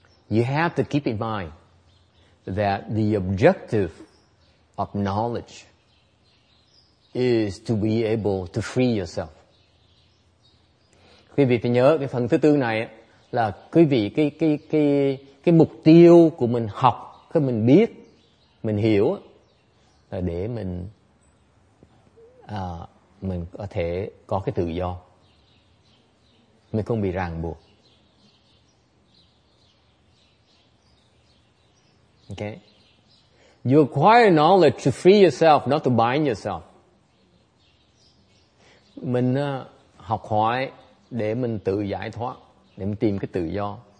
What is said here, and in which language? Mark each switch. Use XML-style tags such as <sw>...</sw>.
<en>have to keep in mind that the objective of knowledge is to be able to free yourself.</en> <vi>Quý vị phải nhớ cái phần thứ tư này là quý vị cái mục tiêu của mình học, cái mình biết, mình hiểu là để mình có thể có cái tự do, mình không bị ràng buộc.</vi> <en>Okay, you acquire knowledge to free yourself, not to bind yourself.</en> <vi>Mình học hỏi để mình tự giải thoát, để mình tìm cái tự do.</vi>